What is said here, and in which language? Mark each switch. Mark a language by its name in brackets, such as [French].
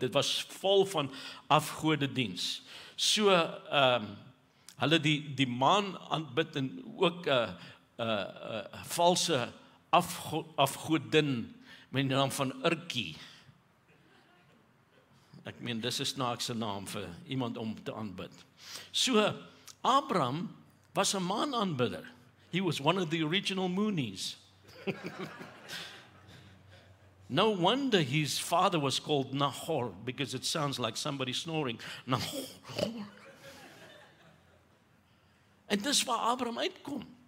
[Afrikaans] Dit was vol van afgodediens. So hulle die maan aanbid en ook 'n valse afgodin met die naam van Urkie. Ek meen, dis 'n snaakse naam vir iemand om te aanbid. So Abraham was 'n maan aanbidder. [English] He was one of the original moonies. No wonder his father was called Nahor, because it sounds like somebody snoring. [Afrikaans] Nahor. En dis waar Abraham uitkom.